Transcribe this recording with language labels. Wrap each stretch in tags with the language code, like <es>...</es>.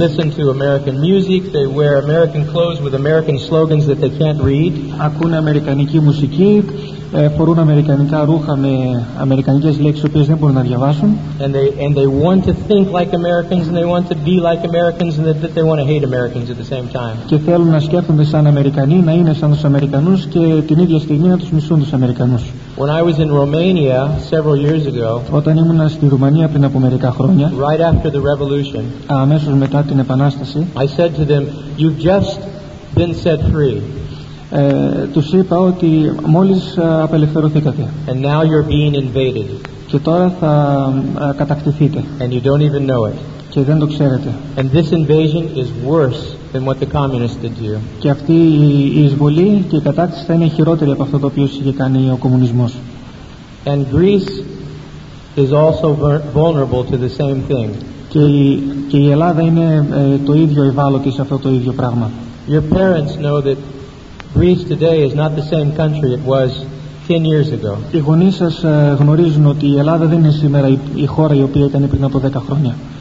<en>They listen to American music, they wear American clothes with American slogans that they can't read.</en> <el>Ακούνε αμερικανική μουσική, φορούν αμερικανικά ρούχα με αμερικανικές λέξεις οποίες δεν μπορούν να διαβάσουν.</el> <en>And they want to think like Americans, and they want to be like Americans, and that they want to hate Americans at the same time.</en> <el>Και θέλουν να σκέφτονται σαν Αμερικανοί, να είναι σαν τους Αμερικανούς και την ίδια στιγμή να τους μισούν τους Αμερικανούς.</el> <en>When I was in Romania several years ago,</en> <el>όταν ήμουν στη Ρουμανία πριν από μερικά χρόνια,</el> <en>right after the revolution,</en> <el>αμέσως μετά την επανάσταση,</el> <en>I said to them, "You've just been set free."</en> <el>Τους είπα ότι μόλις απελευθερωθήκατε.</el> <en>And now you're being invaded.</en> <el>Και τώρα θα κατακτηθείτε.</el> <en>And you don't even know it.</en> <el>Και δεν το ξέρετε.</el> <en>And this invasion is worse than what the communists did to you.</en> <el>Και αυτή η εισβολή και η κατάκτηση θα είναι χειρότερη από αυτό το οποίο είχε κάνει ο κομμουνισμός.</el> <en>And Greece is also vulnerable to the same thing.</en> <el>Και η Ελλάδα είναι το ίδιο ευάλωτη σε αυτό το ίδιο πράγμα.</el> <en>Your parents know that Greece today is not the same country it was 10 years ago.</en> <el>Οι γονείς σας γνωρίζουν ότι η Ελλάδα δεν είναι σήμερα η χώρα η οποία ήταν πριν από 10 χρόνια.</el>